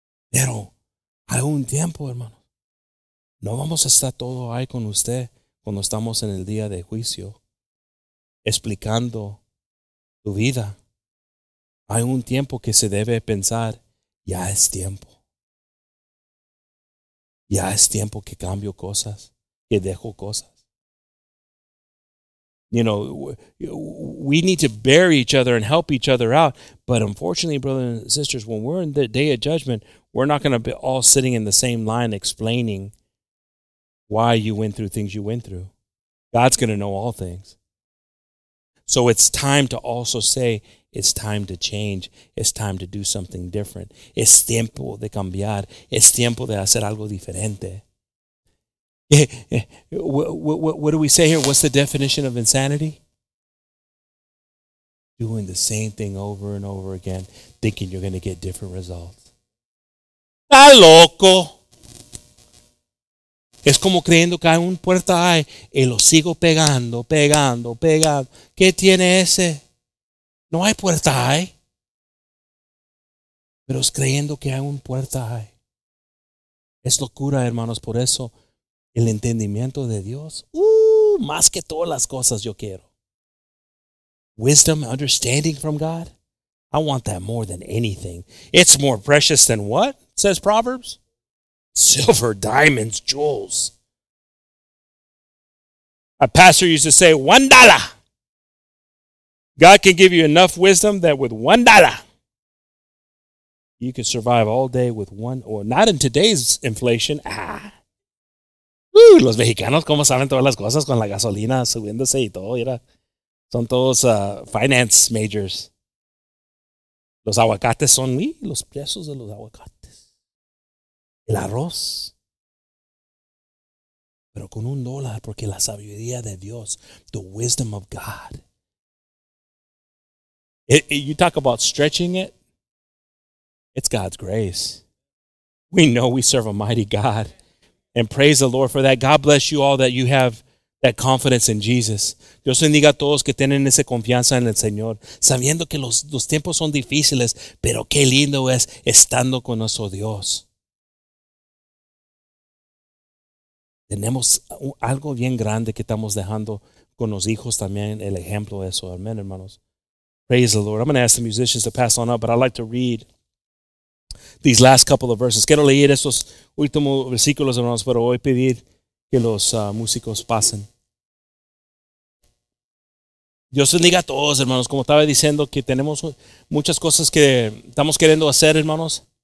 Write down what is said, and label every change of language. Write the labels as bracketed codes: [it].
[es] Pero algún tiempo, hermano, no vamos a estar todo ahí con usted cuando estamos en el día de juicio explicando tu vida. Hay un tiempo que se debe pensar, ya es tiempo. Ya es tiempo que cambio cosas, que dejo cosas. [en] You know, we need to bear each other and help each other out. But unfortunately, brothers and sisters, when we're in the day of judgment, we're not going to be all sitting in the same line explaining why you went through things you went through. God's going to know all things. So it's time to also say, it's time to change. It's time to do something different. [es] Es tiempo de cambiar. Es tiempo de hacer algo diferente. [en] What do we say here? What's the definition of insanity? Doing the same thing over and over again, thinking you're going to get different results. [es] ¡Está loco! Es como creyendo que hay un puerta ahí y lo sigo pegando, pegando, pegando. ¿Qué tiene ese? No hay puerta ahí. Pero es creyendo que hay un puerta ahí. Es locura, hermanos. Por eso, el entendimiento de Dios, más que todas las cosas yo quiero. [en] Wisdom, understanding from God. I want that more than anything. It's more precious than what? Says Proverbs. Silver, diamonds, jewels. A pastor used to say, $1. God can give you enough wisdom that with $1, you can survive all day with one, or not in today's inflation. Ah. [es] Woo, los mexicanos, ¿cómo saben todas las cosas con la gasolina subiéndose y todo? Mira, son todos [en] finance majors. [es] Los aguacates son, los precios de los aguacates. El arroz, pero con $1, porque la sabiduría de Dios, [en] the wisdom of God. You talk about stretching it, it's God's grace. We know we serve a mighty God, and praise the Lord for that. God bless you all that you have that confidence in Jesus. [es] Dios bendiga a todos que tienen esa confianza en el Señor, sabiendo que los tiempos son difíciles, pero qué lindo es estando con nuestro Dios. Tenemos algo bien grande que estamos dejando con los hijos también, el ejemplo de eso. Amen, hermanos. [en] Praise the Lord. I'm going to ask the musicians to pass on up, but I'd like to read these last couple of verses. [es] Quiero leer estos últimos versículos, hermanos, pero voy a pedir que los músicos pasen. Dios bendiga a todos, hermanos. Como estaba diciendo, que tenemos muchas cosas que estamos queriendo hacer, hermanos.